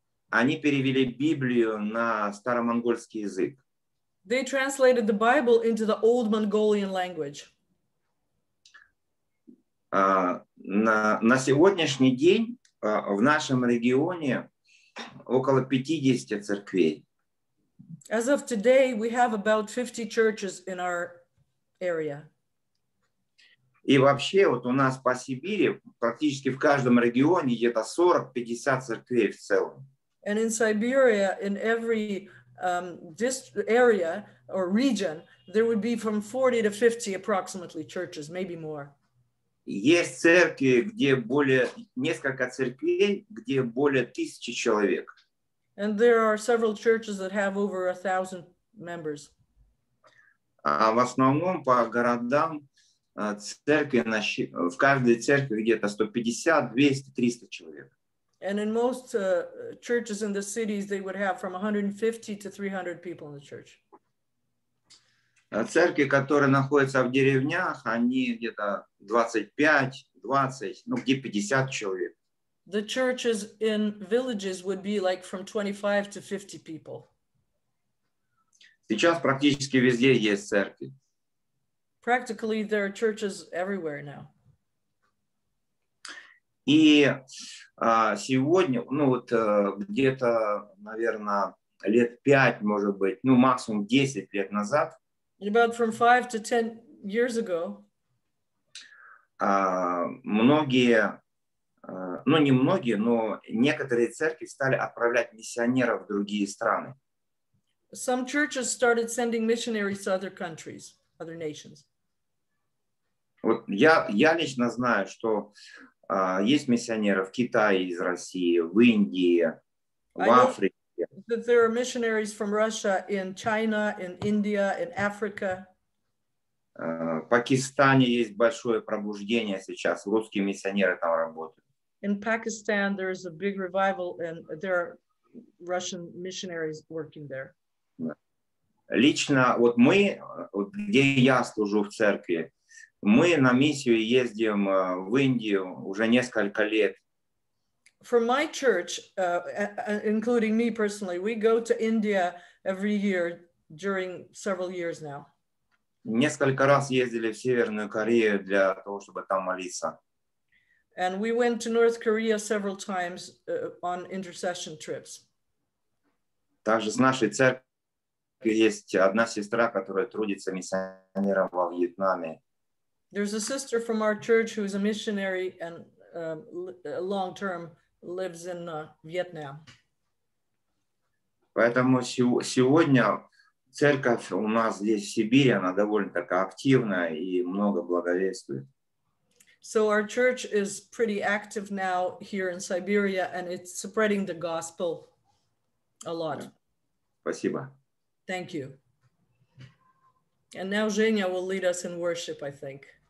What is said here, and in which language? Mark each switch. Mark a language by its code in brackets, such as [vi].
[ru] Они перевели Библию на старомонгольский язык. [en] They translated the Bible into the old Mongolian language. [ru] На сегодняшний день в нашем регионе около 50 церквей. [en] As of today, we have about 50 churches in our area. [ru] И вообще, вот у нас по Сибири, практически в каждом регионе, где-то 40-50 церквей в целом. [en] And in Siberia, in every area or region, there would be from 40 to 50 approximately churches, maybe more. [ru] Есть церкви, где более, несколько церквей, где более 1000 человек. [en] And there are several churches that have over 1,000 members. [ru] В основном по городам церкви, в каждой церкви где-то 150, 200, 300 человек. [en] And in most churches in the cities, they would have from 150 to 300 people in the church. [ru] Церкви, которые находятся в деревнях, они где-то 25-20, ну где 50 человек. [en] The churches in villages would be like from 25 to 50 people. [ru] Сейчас практически везде есть церкви. [en] Practically there are churches everywhere now. [ru] И сегодня, ну вот где-то, наверное, лет 5, может быть, ну максимум 10 лет назад. [en] About from 5 to 10 years ago. [ru] Многие, ну не многие, но некоторые церкви стали отправлять миссионеров в другие страны. [en] Some churches started sending missionaries to other countries, other nations. [ru] Вот я лично знаю, что есть миссионеры в Китае, из России, в Индии, в Африке. [en] That there are missionaries from Russia in China, in India, in Africa. [ru] В Пакистане есть большое пробуждение сейчас. Русские миссионеры там работают. [en] In Pakistan there is a big revival and there are Russian missionaries working there. [ru] лично вот мы, вот где я служу в церкви, мы на миссию ездим в Индию уже несколько лет. [en] For my church, including me personally, we go to India every year during several years now. [ru] Несколько раз ездили в Северную Корею для того, чтобы там молиться. [en] And we went to North Korea several times on intercession trips. [ru] Также с нашей церкви есть одна сестра, которая трудится миссионером во Вьетнаме. [en] There's a sister from our church who is a missionary and long-term lives in Vietnam. [ru] Поэтому сегодня церковь у нас здесь в Сибири, она довольно такая активная и много благовествует. [en] So our church is pretty active now here in Siberia and it's spreading the gospel a lot. [ru] Спасибо. [en] Thank you. And now Женя will lead us in worship, I think.